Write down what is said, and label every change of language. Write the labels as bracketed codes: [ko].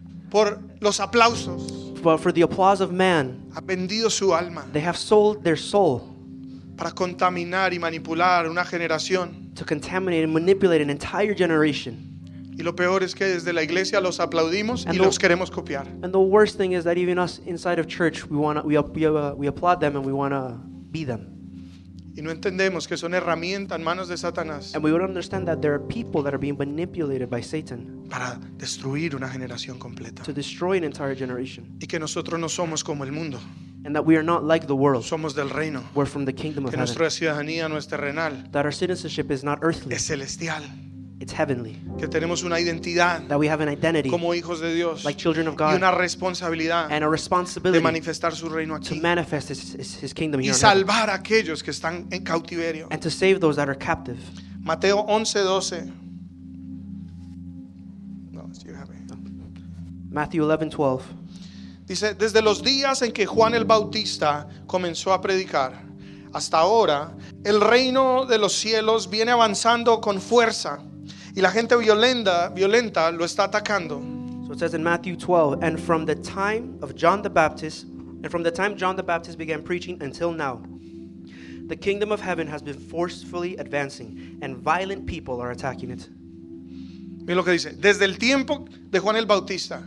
[es] Por los aplausos. [en] But for the applause of man. [es] Ha vendido su alma. [en] They have sold their soul. [es] Para contaminar y manipular una generación. [en] To contaminate and manipulate an entire generation. [es] Y lo peor es que desde la iglesia los aplaudimos y los queremos copiar. [en] And the worst thing is that even us inside of church we applaud them and we want to be them. [es] Y no entendemos que son herramientas en manos de Satanás. [en] And we don't understand that there are people that are being manipulated by Satan. [es] Para destruir una generación completa. [en] To destroy an entire generation. [es] Y que nosotros no somos como el mundo. [en] And that we are not like the world. [es] Somos del reino. [en] We're from the kingdom of heaven. [es] Que nuestra ciudadanía no es terrenal. [en] That our citizenship is not earthly. [es] Es celestial. [en] It's heavenly. [es] Que tenemos una identidad. [en] That we have an identity. [es] Como hijos de Dios. [en] Like children of God. [es] Y una responsabilidad. [en] And a responsibility. [es] De manifestar su reino aquí. [en] To manifest his kingdom here. [es] Y salvar a aquellos que están en cautiverio. [en] And to save those that are captive. [es] Mateo 11:12. [en] Matthew 11:12. [es] Dice, desde los días en que Juan el Bautista comenzó a predicar, hasta ahora, el reino de los cielos viene avanzando con fuerza. Y la gente violenta lo está atacando. [en] So it says in Matthew 12, and from the time of John the Baptist, and from the time John the Baptist began preaching until now, the kingdom of heaven has been forcefully advancing, and violent people are attacking it. [es] Mira lo que dice. Desde el tiempo de Juan el Bautista.